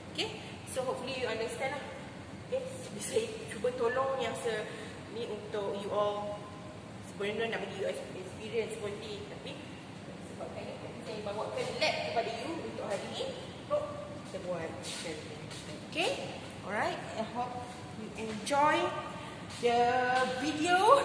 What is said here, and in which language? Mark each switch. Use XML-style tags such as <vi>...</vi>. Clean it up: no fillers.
<en>Okay, so hopefully you understand lah.</en> <ms>Okay, saya cuba tolong yang ni untuk you all. Sebenarnya nak bagi you experience pun ni, tapi sebabkan saya bawakan lab kepada you untuk hari ni, so kita buat.</ms> <en>Okay, alright, I hope you enjoy the video.</en>